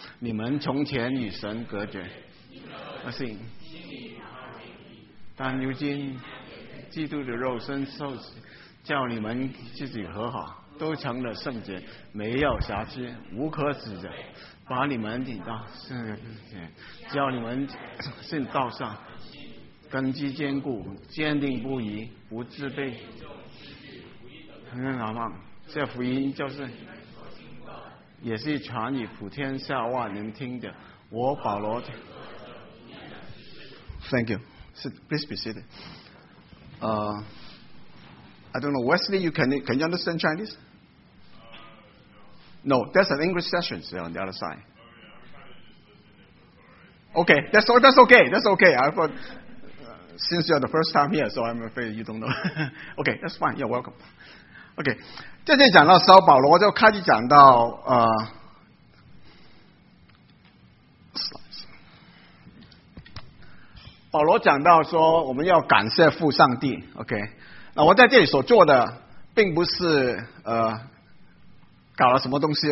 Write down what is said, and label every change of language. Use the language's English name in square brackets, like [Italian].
[Chinese] 你们从前与神隔绝，不信，但如今基督的肉身受洗，叫你们自己和好，都成了圣洁，没有瑕疵，无可指责，把你们领到圣洁，叫你们信道上根基坚固，坚定不移，不自卑。很难忘这福音，就是也是传与普天下万人听的。我保罗 [English] Thank you. Please be seated. I don't know, Wesley, can you understand Chinese? No, there's an English session on the other side. Okay, that's okay. That's okay. Since you're the first time here, so I'm afraid you don't know. Okay, that's fine. You're welcome. [Chinese] OK， 这就讲到时候保罗就开始讲到保罗讲到说我们要感谢父上帝。 OK， 那我在这里所做的并不是搞了什么东西。